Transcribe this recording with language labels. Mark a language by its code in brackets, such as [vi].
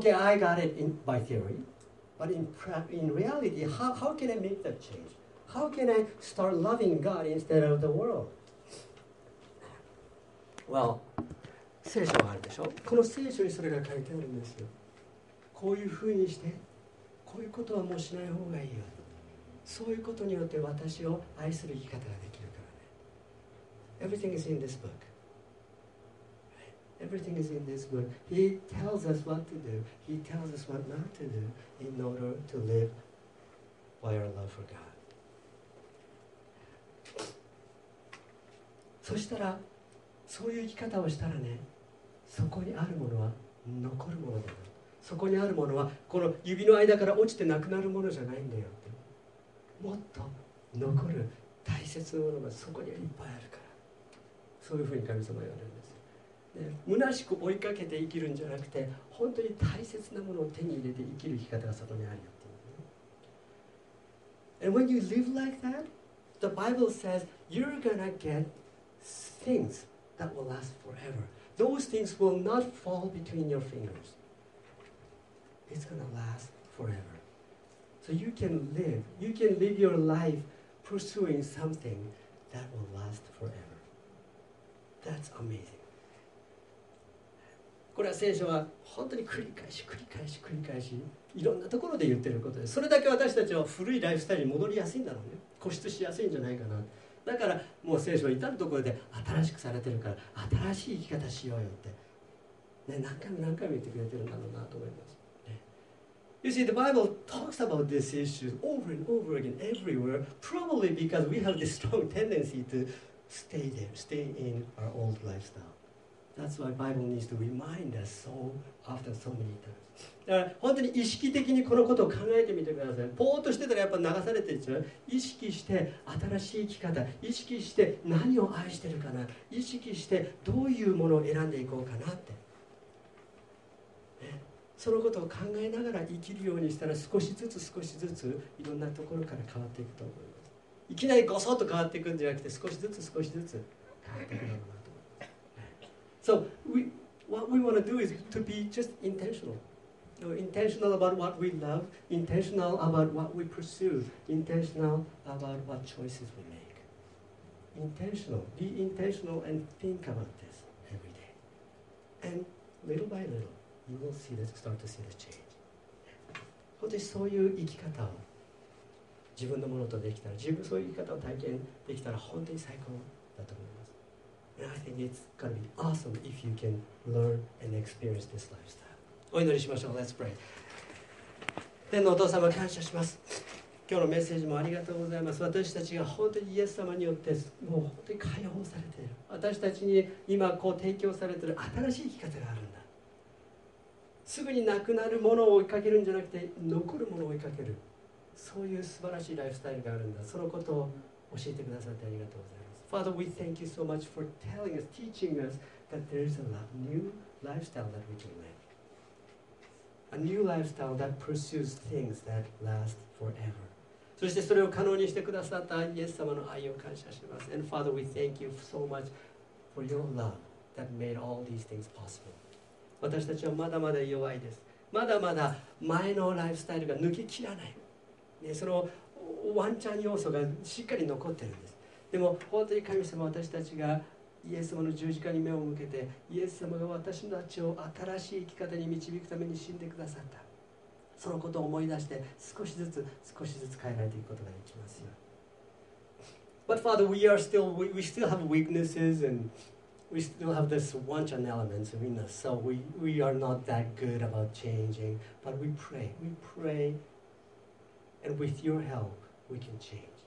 [en] OK, I got it in, by theory, but in reality, how can I make that change? How can I start loving God instead of the world? Well, [ja] 聖書があるでしょ。この聖書にそれが書いてあるんですよ。こういうふうにしてこういうことはもうしない方がいいよ。そういうことによって私を愛する生き方ができるからね。 [en] Everything is in this book. Everything is in this book. He tells us what to do. He tells us what not to do in order to live by our love for God. [ja] そしたら、そういう生き方をしたらね、そこにあるものは残るものだよ。そこにあるものはこの指の間から落ちてなくなるものじゃないんだよって、もっと残る大切なものがそこにいっぱいあるから、そういうふうに神様は言われるんです。で、虚しく追いかけて生きるんじゃなくて、本当に大切なものを手に入れて生きる生き方がそこにあるよって、ね、 [en] And when you live like that, the Bible says you're gonna get things that will last forever. Those things will not fall between your fingers. It's gonna last forever. So you can live. You can live your life pursuing something that will last forever. That's amazing. [ja] これは聖書は本当に繰り返し繰り返し繰り返しいろんなところで言ってることで、それだけ私たちは古いライフスタイルに戻りやすいんだろうね。固執しやすいんじゃないかな。だからもう聖書は至るところで新しくされてるから、新しい生き方しようよって、ね、何回も何回も言ってくれてるんだろうなと思います。 [en] You see, the Bible talks about this issue over and over again, everywhere, probably because we have this strong tendency to stay there, stay in our old lifestyle. That's why the Bible needs to remind us so often, so many times. [ja] だから本当に意識的にこのことを考えてみてください。ぼーっとしてたらやっぱ流されていっちゃう。意識して新しい生き方、意識して何を愛してるかな、意識してどういうものを選んでいこうかなって。そのことを考えながら生きるようにしたら、少しずつ少しずついろんなところから変わっていくと思います。いきなりごそっと変わっていくんじゃなくて、少しずつ少しずつ変わっていくのかなと思います。 [en] So what we want to do is to be just intentional. Intentional about what we love, intentional about what we pursue, intentional about what choices we make. Intentional, be intentional and think about this every day. And little by little,You will see that start to see the change. [ja] 本当にそういう生き方を自分のものとできたら、自分そういう生き方を体験できたら本当に最高だと思います。 [en] And I think it's gonna be awesome if you can learn and experience this lifestyle. [ja] お祈りしましょう。 [en] Let's pray. [ja] 天のお父様、感謝します。今日のメッセージもありがとうございます。私たちが本当にイエス様によってもう本当に解放されている。私たちに今こう提供されている新しい生き方があるんだ。すぐになくなるものを追いかけるんじゃなくて、残るものを追いかける。そういう素晴らしいライフスタイルがあるんだ。そのことを教えてくださってありがとうございます。 [en] Father, we thank you so much for telling us, teaching us that there is a new lifestyle that we can live. A new lifestyle that pursues things that last forever. [ja] そしてそれを可能にしてくださったイエス様の愛を感謝します。 [en] And Father, we thank you so much for your love that made all these things possible. [ja] 私たちはまだまだ弱いです。まだまだ前のライフスタイルが抜き切らない、ね、そのワンチャン要素がしっかり残ってるんです。でも本当に神様、私たちがイエス様の十字架に目を向けて、イエス様が私たちを新しい生き方に導くために死んでくださった、そのことを思い出して少しずつ少しずつ変えられていくことができますよ。 [en] But Father, we still have weaknesses andWe still have this wanton elements in us, so we are not that good about changing. But we pray, and with your help, we can change.